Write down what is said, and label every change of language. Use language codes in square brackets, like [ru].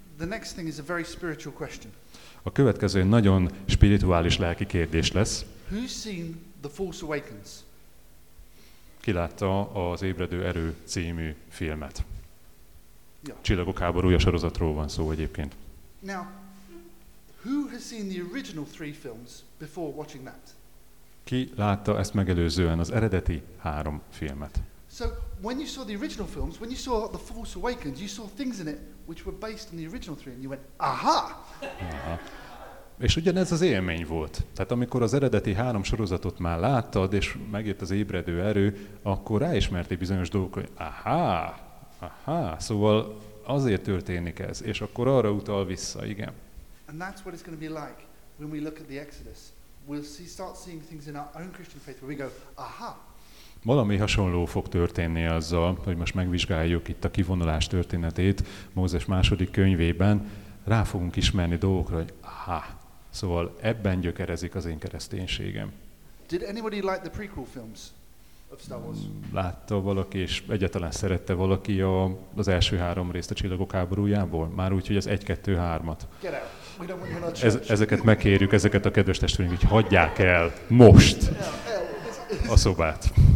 [en] The next thing is a very spiritual question. [hu] A következő nagyon spirituális lelki kérdés lesz. [en] Who's seen The Force Awakens? [hu] Ki látta az Ébredő Erő című filmet? [en] Yeah. [hu] Csillagok háborúja sorozatról van szó egyébként. [en] Now, who has seen the original 3 films before watching that? [hu] Ki látta ezt megelőzően az eredeti 3 filmet? [en] So when you saw the original films, when you saw The Force Awakens, you saw things in it which were based on the original 3 and you went, aha! Aha. [hu] És ugyanez az élmény volt. Tehát amikor az eredeti 3 sorozatot már láttad, és megjött az Ébredő Erő, akkor ráismertél bizonyos dolgok, hogy aha, aha, szóval azért történik ez, és akkor arra utal vissza, igen. [en] And that's what it's going to be like when we look at the Exodus. We'll start seeing things in our own Christian faith where we go, aha. [hu] Valami hasonló fog történni azzal, hogy most megvizsgáljuk itt a kivonulás történetét Mózes 2. könyvében. Rá fogunk ismerni dolgokra, hogy aha. Szóval ebben gyökerezik az én kereszténységem. [en] Did anybody like the prequel films of Star Wars? [hu] Látta valaki, és egyáltalán szerette valaki az első 3 részt a Csillagok háborújából? Már úgy, hogy az 1-2-3-at. [en] Get out. [hu] Ezeket megkérjük, ezeket a kedves testvéreink, hogy hagyják el most a szobát.